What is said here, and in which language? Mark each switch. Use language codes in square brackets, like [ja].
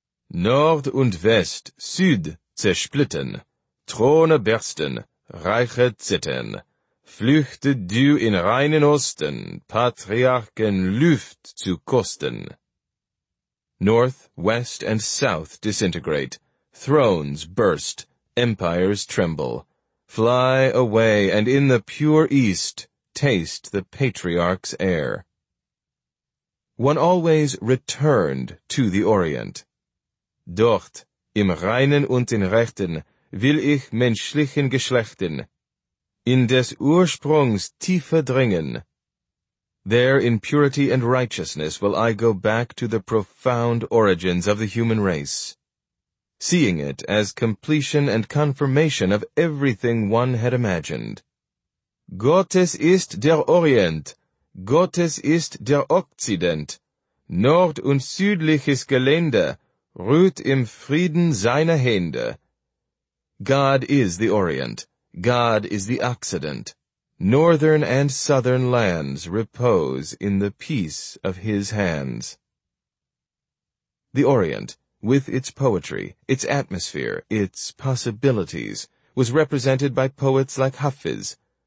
[de] Nord und West, Süd zersplitten, Throne bersten, Reiche zittern, Flüchte du in reinen Osten, Patriarchen Luft zu kosten. [en] North, West, and South disintegrate, Thrones burst, empires tremble. Fly away, and in the pure east, taste the patriarch's air. One always returned to the Orient. [de] Dort, im reinen und in rechten, will ich menschlichen Geschlechten, in des Ursprungs tiefe dringen. [en] There in purity and righteousness will I go back to the profound origins of the human race, seeing it as completion and confirmation of everything one had imagined. [de] Gottes ist der Orient, Gottes ist der Okzident, Nord und südliches Gelände ruht im Frieden seiner Hände. [en] God is the Orient, God is the Occident. Northern and southern lands repose in the peace of his hands. The Orient, with its poetry, its atmosphere, its possibilities, was represented by poets like Hafiz.